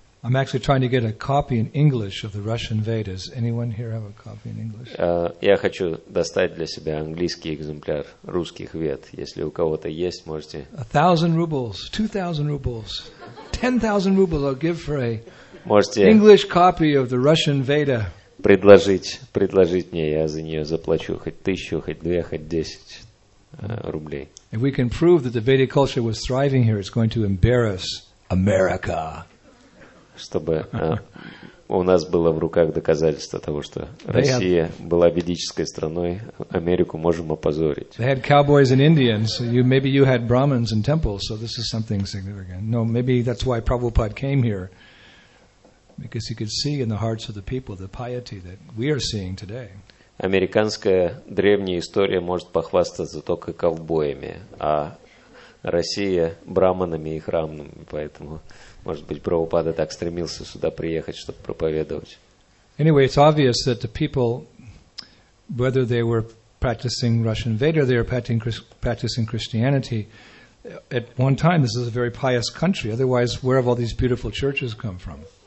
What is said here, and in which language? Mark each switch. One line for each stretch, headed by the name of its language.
English: I'm actually trying to get a copy in English of the Russian Vedas. Anyone here have a copy in English?
Russian: Я хочу достать для себя английский экземпляр русских вед. Если у кого-то есть, можете.
English: 1,000 rubles, 2,000 rubles, 10,000 rubles. I'll give for a English copy of the Russian Veda.
Russian: Предложить мне, я за нее заплачу хоть 1,000, хоть 2, хоть 10 рублей.
English: If we can prove that the Vedic culture was thriving here, it's going to embarrass America.
Russian: Чтобы у нас было в руках доказательство того, что Россия была ведической страной, Америку можем опозорить.
English: They had cowboys and Indians, so maybe you had Brahmins and temples, so this is something significant. No, maybe that's why Prabhupada came here, because he could see in the hearts of the people the piety that we are seeing today.
Russian: Американская древняя история может похвастаться только ковбоями, а Россия браманами и храмами, поэтому... Может быть, Прабхупада так стремился сюда приехать, чтобы проповедовать.
English: Anyway, it's obvious that the people, whether they were practicing Russian Veda or they were practicing Christianity, at one time this is a very pious country. Otherwise, where have all these beautiful churches come from?